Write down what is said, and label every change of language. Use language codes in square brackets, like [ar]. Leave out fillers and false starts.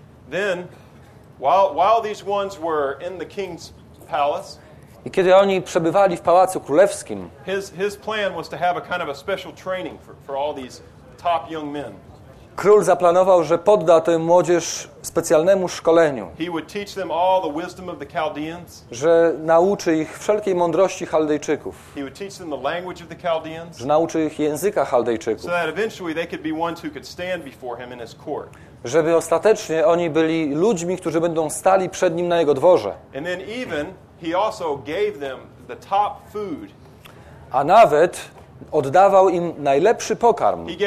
[en] Then, while these ones were in the king's palace, [pl] i kiedy oni przebywali w pałacu królewskim, [en] his plan was to have a kind of a special training for all these top young men. [pl] król zaplanował, że podda tę młodzież specjalnemu szkoleniu. [en] He would teach them all the wisdom of the Chaldeans. [pl] Że nauczy ich wszelkiej mądrości Chaldejczyków. [en] He would teach them the language of the Chaldeans. [pl] Że nauczy ich języka Chaldejczyków. [en] So that eventually they could be ones who could stand before him in his court. [pl] Żeby ostatecznie oni byli ludźmi, którzy będą stali przed nim na jego dworze. [en] And then even he also gave them the top food. [pl] A nawet oddawał im najlepszy pokarm.